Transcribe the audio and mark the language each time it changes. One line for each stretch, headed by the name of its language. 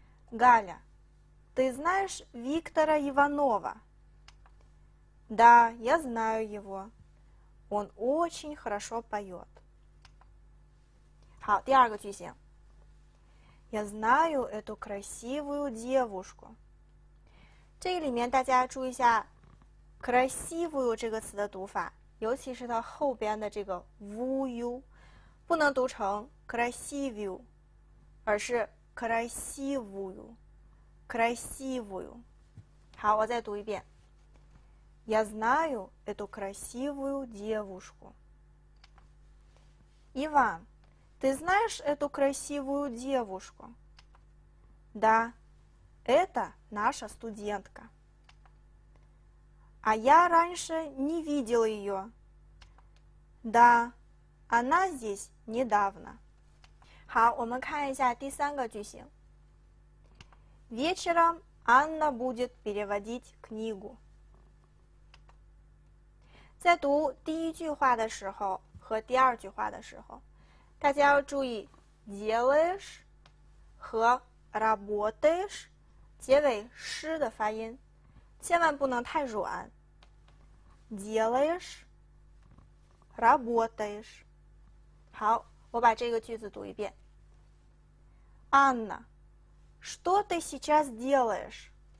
Russian: Галя, ты знаешь Виктора Иванова? Да, я знаю его. Он очень хорошо поет.
Chinese: 好, 第二个句型.
Russian: Я знаю эту красивую девушку.
Chinese: 这里面大家注意一下 красивую 这个词的读法，尤其是它后边的这个 вую。不能读成 красивую，而是 красивую。好，我再读一遍。
Russian: Я знаю эту красивую девушку. Иван, ты знаешь эту красивую девушку? Да, это наша студентка. А я раньше не видел ее. Да. Она здесь недавно.
Chinese: 好，我们看一下第三个句型。
Russian: Вечером Анна будет переводить книгу。
Chinese: 在读第一句话的时候和第二句话的时候，大家要注意 делаешь 和 работаешь 结尾 sh 的发音，千万不能太软。
Russian: делаешь работаешь。
Chinese: 好，我把这个句子读一遍。
Russian: Анна, что ты сейчас делаешь?